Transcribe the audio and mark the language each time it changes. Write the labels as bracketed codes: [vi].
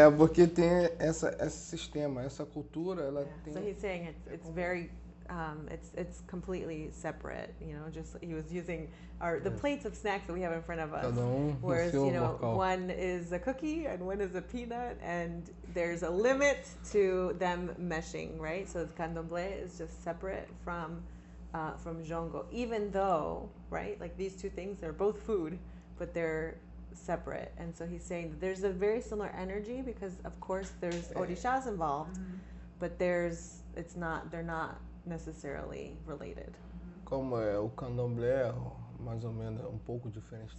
[pt] Porque tem esse sistema, essa cultura, ela tem... [en] So he's saying it's very... it's completely separate, you know, just he was using the plates of snacks that we have in front of us, whereas, you know, one is a cookie and one is a peanut, and there's a limit to them meshing, right? So the candomblé is just separate from jongo, even though, right, like these two things are both food, but they're separate. And so he's saying that there's a very similar energy because, of course, there's orishas involved, but they're not necessarily related. [pt] Como é o candomblé, mais ou menos um pouco diferente.